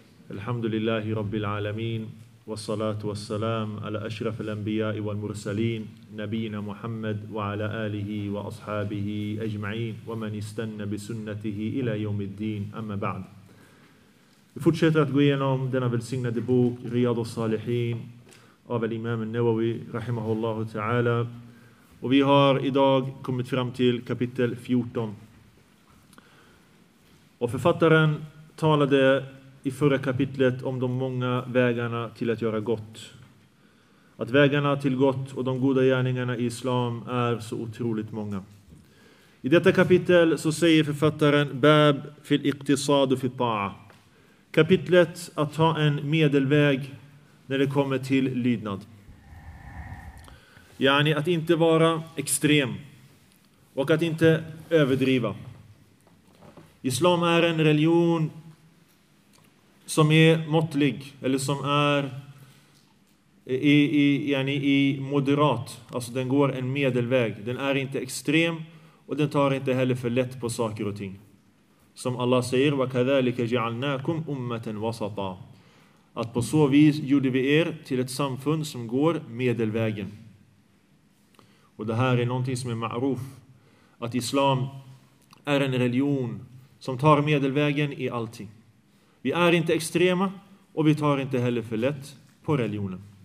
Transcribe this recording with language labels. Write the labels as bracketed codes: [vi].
[ar] الحمد لله رب العالمين، والصلاة والسلام على أشرف الأنبياء والمرسلين نبينا محمد وعلى آله وأصحابه أجمعين ومن استنى بسنته إلى يوم الدين، أما بعد. [sv] Vi fortsätter att gå igenom denna välsignade bok Riyad al-Salihin av Imam al-Nawawi rahimahullah ta'ala. Och vi har idag kommit fram till kapitel 14. Och författaren talade i förra kapitlet om de många vägarna till att göra gott. Att vägarna till gott och de goda gärningarna i islam är så otroligt många. I detta kapitel så säger författaren Bab fil iqtisad fi ta'a. Kapitlet att ta en medelväg när det kommer till lydnad. Yani att inte vara extrem och att inte överdriva. Islam är en religion som är måttlig eller som är i moderat. Alltså den går en medelväg. Den är inte extrem och den tar inte heller för lätt på saker och ting. Som Allah säger, [ar] وَكَذَلِكَ جَعَلْنَاكُمْ أُمَّةً وَسَطًا. [sv] Att på så vis gjorde vi er till ett samfund som går medelvägen. Och det här är någonting som är ma'ruf. Att islam är en religion som tar medelvägen i allting. Vi är inte extrema och vi tar inte heller för lätt på religionen.